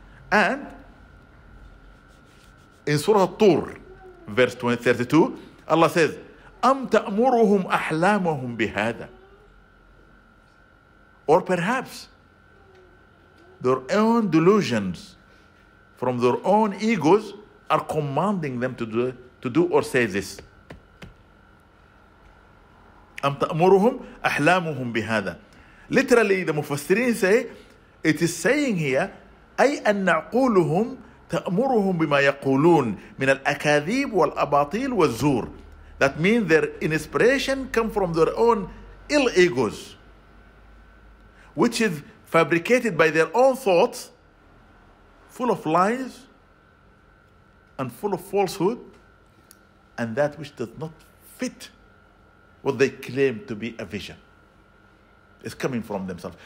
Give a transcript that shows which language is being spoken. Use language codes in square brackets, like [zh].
[en] And in Surah At-Tur, verse 32, Allah says, [ar] أَمْ تَأْمُرُهُمْ أَحْلَامَهُمْ بِهَذَا, [en] or perhaps their own delusions from their own egos are commanding them to do or say this. [ar] أَمْ تَأْمُرُهُمْ أَحْلَامُهُمْ بِهَذَا. [en] Literally, the Mufassirin say, it is saying here, [ar] أَيْ أَنَّ عَقُولُهُمْ تَأْمُرُهُمْ بِمَا يَقُولُونَ مِنَ الْأَكَاذِيبِ وَالْأَبَاطِيلِ وَالزُّورِ. [en] That means their inspiration come from their own ill egos, which is fabricated by their own thoughts, full of lies and full of falsehood, and that which does not fit what they claim to be a vision. It's coming from themselves.